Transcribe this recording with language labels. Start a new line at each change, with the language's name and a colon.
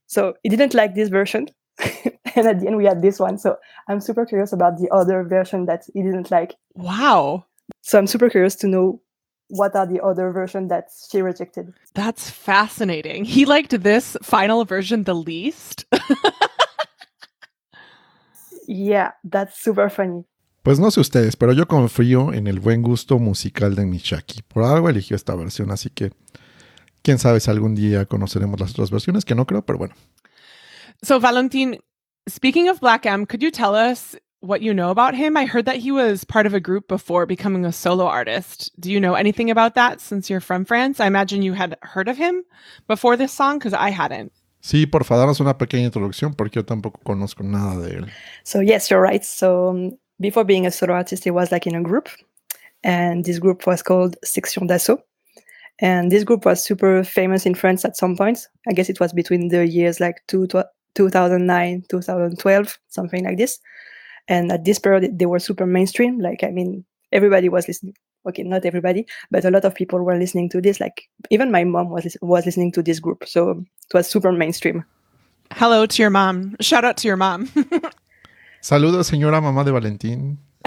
English: So he didn't like this version. And at the end, we had this one. So I'm super curious about the other version that he didn't like. Wow. So I'm super curious to know what are the other versions that she rejected. That's fascinating. He liked this final version the least? Yeah, that's super funny.
Spanish: Pues no sé ustedes, pero yo confío en el buen gusto musical de mi Shaki. Por algo eligió esta versión, así que quién sabe si algún día conoceremos las otras versiones, que no creo, pero bueno.
English: So, Valentin, speaking of Black M, could you tell us what you know about him? I heard that he was part of a group before becoming a solo artist. Do you know anything about that since you're from France? I imagine you had heard of him before this song, because I hadn't.
Spanish: Sí, por favor, danos una pequeña introducción porque yo tampoco conozco nada de él.
English: So yes, you're right. So before being a solo artist, he was like in a group, and this group was called Section d'Assaut. And this group was super famous in France at some point. I guess it was between the years like 2009, 2012, something like this. And at this period, they were super mainstream. Like, I mean, everybody was listening. Okay, not everybody, but a lot of people were listening to this. Like, even my mom was listening to this group. So it was super mainstream. Hello to your mom. Shout out to your mom.
Spanish: Saludos, señora mamá de Valentín.